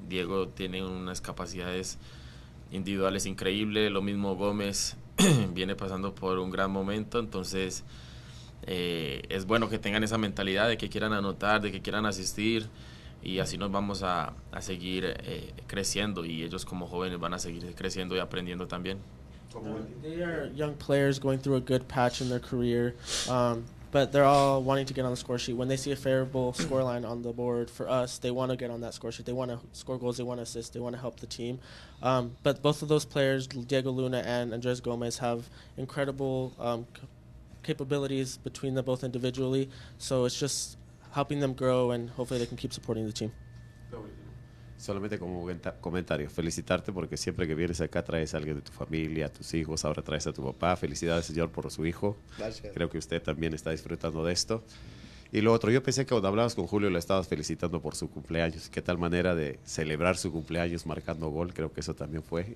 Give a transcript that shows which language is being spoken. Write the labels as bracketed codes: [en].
[es] Diego tiene unas capacidades individuales increíbles, lo mismo Gómez viene pasando por un gran momento, entonces es bueno que tengan esa mentalidad de que quieran anotar, de que quieran asistir, y así nos vamos a seguir creciendo, y ellos como jóvenes van a seguir creciendo y aprendiendo también. [en] They are young players going through a good patch in their career. But they're all wanting to get on the score sheet. When they see a favorable scoreline on the board for us, they want to get on that score sheet. They want to score goals, they want to assist, they want to help the team. But both of those players, Diego Luna and Andres Gomez, have incredible capabilities between them both individually. So it's just helping them grow, and hopefully they can keep supporting the team. [es] Solamente como comentario, felicitarte porque siempre que vienes acá traes a alguien de tu familia, a tus hijos, ahora traes a tu papá. Felicidades, señor, por su hijo. Gracias. Creo que usted también está disfrutando de esto. Y lo otro, yo pensé que cuando hablabas con Julio lo estabas felicitando por su cumpleaños. ¿Qué tal manera de celebrar su cumpleaños marcando gol? Creo que eso también fue.